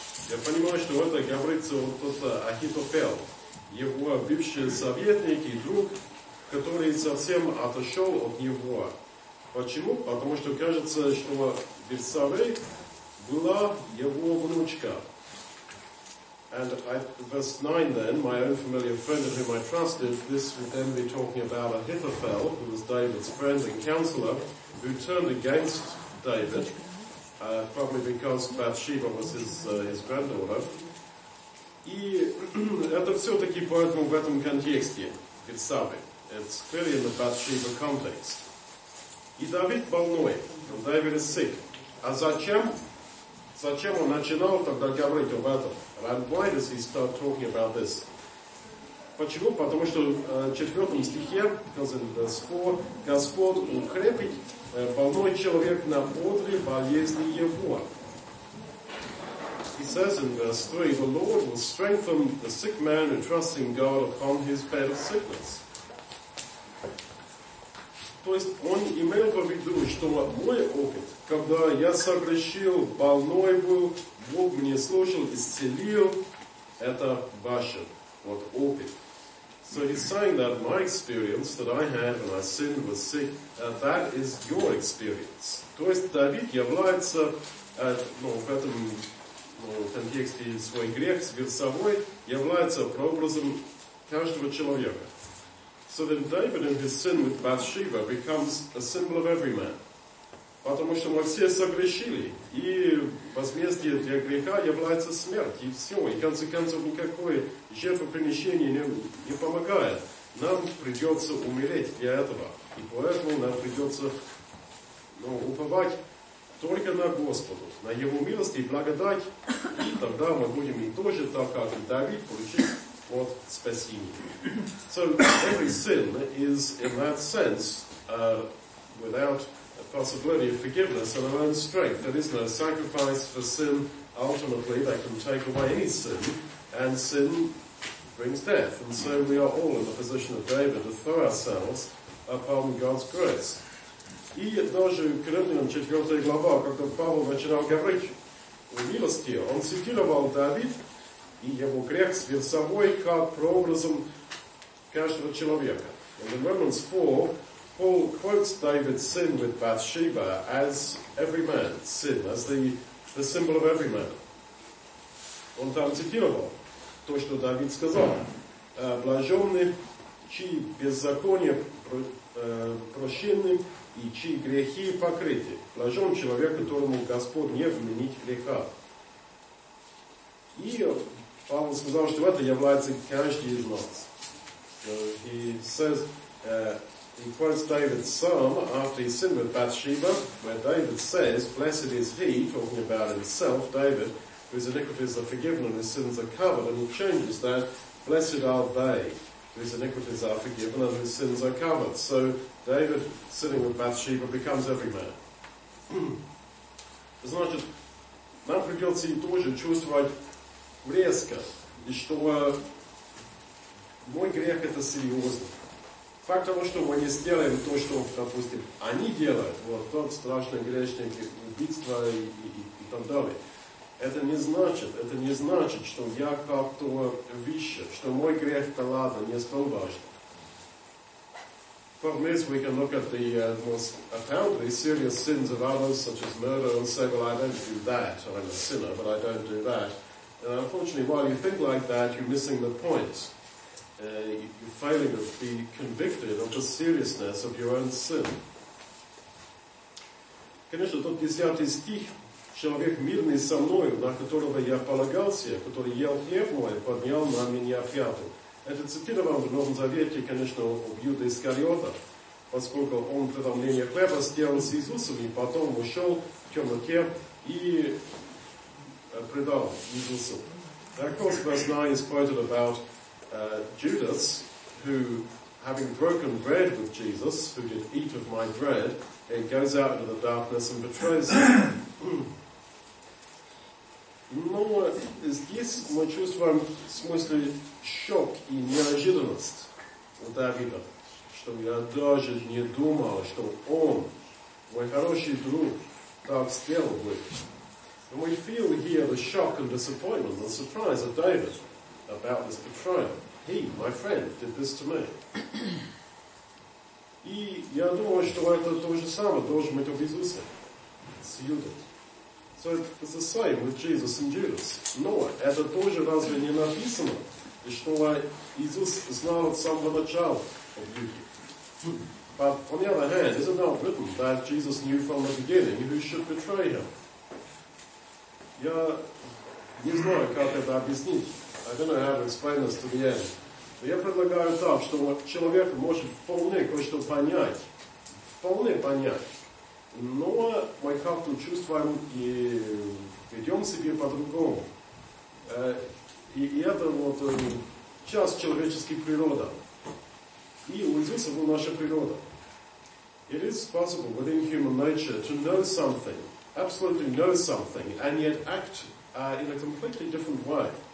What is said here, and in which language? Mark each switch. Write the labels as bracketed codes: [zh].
[ru] Я понимаю, что это говорится вот тот Ахитофел, его бывший советник и друг, который совсем отошел от него. Почему? Потому что кажется, что Берсавей была его внучка. [en] And I, verse 9 then, my own familiar friend of whom I trusted, this would then be talking about Ahithophel, who was David's friend and counselor, who turned against David, probably because Bathsheba was his granddaughter. [ru] И это все-таки поэтому в этом контексте, Бетсаве. [en] It's clearly in the Bathsheba context. [ru] И Давид больной, [en] and David is sick. [ru] А зачем? Зачем он начинал тогда говорить об этом? [en] And why does he start talking about this? [ru] Почему? Потому что в 4 стихе, [en] because in verse 4, [ru] Господь укрепит больной человек на бодре болезни его. [en] He says in verse 3, the Lord will strengthen the sick man who trusts in God upon his bed of sickness. [ru] То есть он имел в виду, что мой опыт, когда я согрешил, больной был, Бог мне слушал, исцелил, это ваше, вот опыт. [en] So he's saying that my experience that I had when I sinned was sick, that is your experience. [ru] То есть Давид является, в этом контексте свой грех с Бевсовой, является прообразом каждого человека. [en] So then David in his sin with Bathsheba becomes a symbol of every man. [ru] Потому что мы все согрешили, и возмездие для греха является смерть, и все, и в конце концов никакое жертвоприношение не помогает. Нам придется умереть для этого, и поэтому нам придется уповать только на Господа, на Его милость и благодать, и тогда мы будем и тоже так, как и Давид, получить от спасения. [en] So every sin is, in that sense, without possibility of forgiveness and our own strength. There is no sacrifice for sin ultimately that can take away any sin, and sin brings death. And so we are all in the position of David to throw ourselves upon God's grace. [ru] И даже Коринфянам 4 глава, когда Павел начинал говорить о милости, он цитировал Давид и его грех с Бевсовой как прообразом каждого человека. [en] In Romans 4, Paul quotes David's sin with Bathsheba as every man's sin, as the symbol of every man. [ru] Он там цитировал то, что Давид сказал. Блаженны, чьи беззакония прощены, и чьи грехи покрыты. Блажен человек, которому Господь не вменит греха. И Павел сказал, что это является каждый из нас. [en] He says, he quotes David's psalm after he sinned with Bathsheba, where David says, blessed is he, talking about himself, David, whose iniquities are forgiven and his sins are covered, and he changes that, blessed are they, whose iniquities are forgiven and whose sins are covered. So David, sinning with Bathsheba, becomes every man. [ru] Значит, нам придется тоже чувствовать резко, что мой грех это серьезно. Факт того, что мы не сделаем то, что, допустим, они делают, вот тот страшный грешник, убийство и так далее, это не значит, что я как-то выше, что мой грех, да ладно, не столь важен. [en] From this we can look at the most apparently serious sins of others, such as murder, and say, well, I don't do that, I'm a sinner, but I don't do that. And unfortunately, while you think like that, you're missing the point. You're failing to be convicted of the seriousness of your own sin. [ru] Конечно, тот 10 стих, человек мирный со мною, на которого я полагался, который ел хлеб мой, поднял на меня пятую. Это цитировано в Новом Завете, конечно, у Юда Искариота, поскольку он преломление хлеба сделал с Иисусом, и потом ушел в темноте и предал Иисусу. [en] Of course, verse 9 is quoted about Judas, who, having broken bread with Jesus, who did eat of my bread, it goes out into the darkness and betrays him. [ru] Но здесь мы чувствуем, в смысле, шок и неожиданность у Давида, что я даже не думал, что он, мой хороший друг, так сделал бы. [en] And we feel here the shock and disappointment, the surprise of David about this betrayal. He, my friend, did this to me. [ru] И я думаю, что это то же самое должен быть об Иисусе, с Юдой. [en] So it's the same with Jesus and Judas. [ru] Но это тоже разве не написано, что Иисус знал от самого начала об Юде? [en] But on the other hand, is it not written that Jesus knew from the beginning who should betray him? [ru] Я не знаю, как это объяснить. [en] I don't know how to explain this to the end. [ru] Но я предлагаю так, что человек может вполне кое-что понять. Вполне понять. Но мы как-то чувствуем и ведем себя по-другому. И это вот часть человеческой природы. И у Иисуса была наша природа. [en] It is possible within human nature to know something, absolutely know something, and yet act in a completely different way.